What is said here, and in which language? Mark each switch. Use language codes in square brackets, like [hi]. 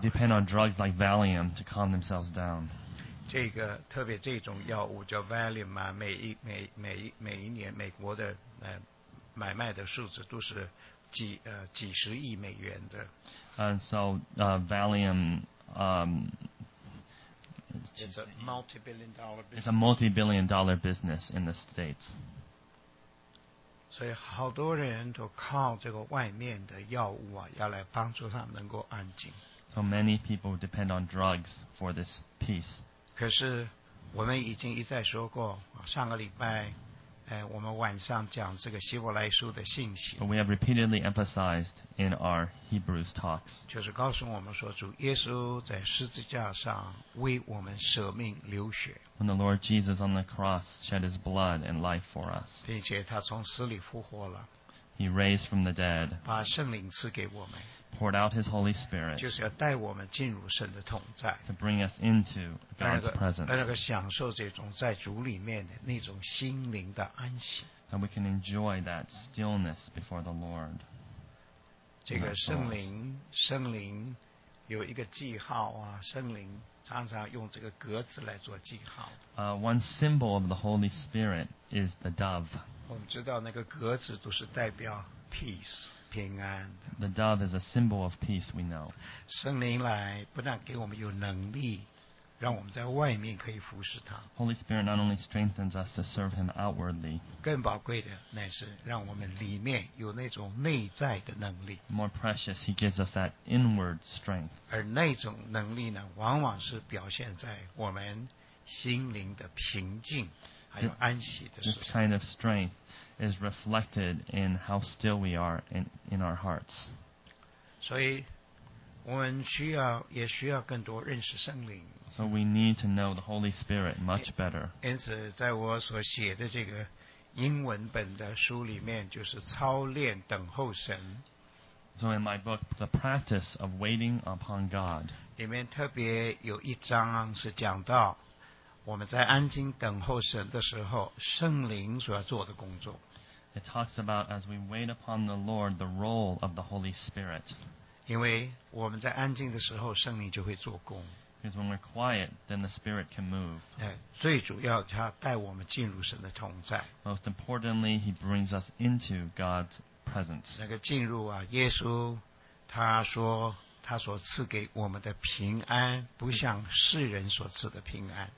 [en] They depend on drugs like Valium to calm themselves down. [zh] 这个特别这种药物叫 Valium 啊，每一年美国的买卖的数字都是几十亿美元的。 [en] And so Valium it's a multi-billion dollar business. It's a multi-billion dollar business in the States. [zh] 所以好多人都靠这个外面的药物啊，要来帮助他们能够安静。 [en] So many people depend on drugs for this peace. [zh] 可是我们已经一再说过，上个礼拜，我们晚上讲这个希伯来书的信息。 [en] But we have repeatedly emphasized in our Hebrews talks. [zh] 就是告诉我们说，主耶稣在十字架上为我们舍命流血。 [en] When the Lord Jesus on the cross shed his blood and life for us. [zh] 并且他从死里复活了。 [en] He raised from the dead. [zh] 把圣灵赐给我们。 [en] Poured out his Holy Spirit. [zh] 就是要带我们进入神的同在。 [en] To bring us into God's presence. [zh] 那个享受这种在主里面的那种心灵的安息。 [en] And we can enjoy that stillness before the Lord. [zh] 这个圣灵有一个记号啊，圣灵。常常用这个格子来做记号。 [en] One symbol of the Holy Spirit is the dove. [zh] 我们知道那个格子都是代表 peace, 平安的。 [en] The dove is a symbol of peace, we know. [zh] 圣灵来不但给我们有能力，让我们在外面可以服侍他。 [en] Holy Spirit not only strengthens us to serve him outwardly. [zh] 更宝贵的乃是让我们里面有那种内在的能力。 [en] More precious, he gives us that inward strength. [zh] 而那种能力呢，往往是表现在我们心灵的平静，还有安息的时候。 [en] This kind of strength is reflected in how still we are in our hearts. [zh] 所以我们也需要更多认识圣灵。 [en] So we need to know the Holy Spirit much better. [zh] 因此在我所写的这个英文本的书里面就是操练等候神。 [en] So in my book, The Practice of Waiting Upon God. [zh] 里面特别有一章是讲到我们在安静等候神的时候圣灵所要做的工作。 [en] It talks about as we wait upon the Lord, the role of the Holy Spirit. [zh] 因为我们在安静的时候圣灵就会做工。 [en] Because when we're quiet, then the Spirit can move. [zh] 最主要他带我们进入神的同在。 [en] Most importantly, he brings us into God's presence. [zh] 那个进入啊，耶稣他说他所赐给我们的平安，不像世人所赐的平安。